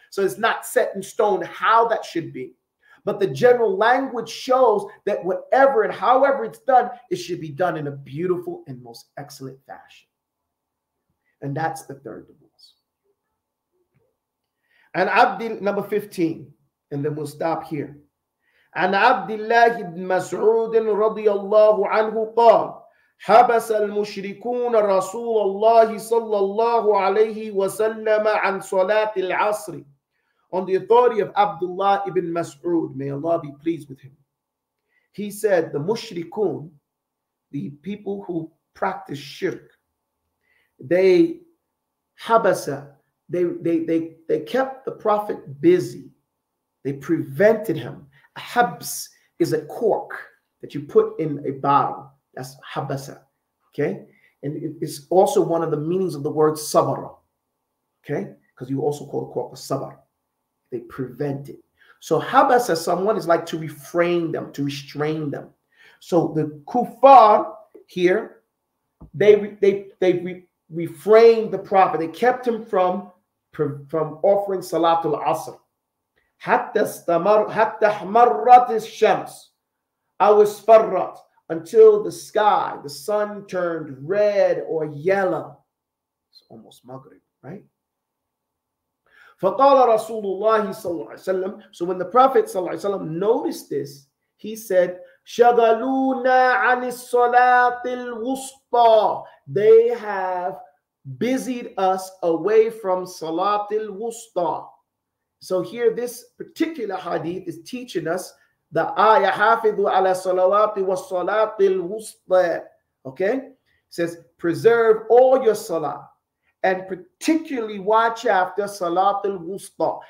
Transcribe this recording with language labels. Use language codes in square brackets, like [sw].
[en] So it's not set in stone how that should be. But the general language shows that whatever and however it's done, it should be done in a beautiful and most excellent fashion. And that's the third divorce. And Abdul, number 15, and then we'll stop here. [ar] عن عبد الله بن مسعود رضي الله عنه قال حبس المشركون رسول الله صلى الله عليه وسلم عن صلاة العصر. [en] On the authority of Abdullah ibn Mas'ud, may Allah be pleased with him, he said the mushrikun, the people who practice shirk, they habasa, they kept the Prophet busy, they prevented him. A habs is a cork that you put in a bottle. That's habasa, okay? And it's also one of the meanings of the word sabara, okay? Because you also call a cork a sabar. They prevent it. So habasa someone is like to refrain them, to restrain them. So the kuffar here, they refrained the prophet. They kept him from offering salatul asr. حتى احمرت الشمس أو اصفرت, until the sky, the sun turned red or yellow. It's almost Maghrib, right? [ar] فقال رسول الله صلى الله عليه وسلم, so when the Prophet صلى الله عليه وسلم noticed this, he said, شغلونا عن الصلاة الوسطى. [en] They have busied us away from Salat al-Wusta. So here, this particular hadith is teaching us the ayah, hafidhu ala salawati wa salatil wusta. Okay? It says, preserve all your salah and particularly watch after salatil wusta.